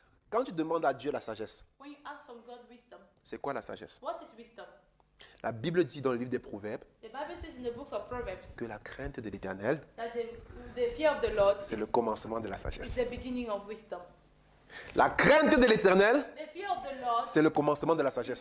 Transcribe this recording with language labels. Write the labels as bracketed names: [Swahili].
[French] Quand tu demandes à Dieu la sagesse, [English] when you ask from God wisdom, [French] c'est quoi la sagesse? [English] What is wisdom? [French] La Bible dit dans le livre des Proverbes, [English] the Bible says in the books of Proverbs, [French] que la crainte de l'Éternel, [English] that the fear of the Lord, [French] c'est le commencement de la sagesse. [English] Is the beginning of wisdom. [French] La crainte de l'Éternel, [English] the fear of the Lord, [French] c'est le commencement de la sagesse.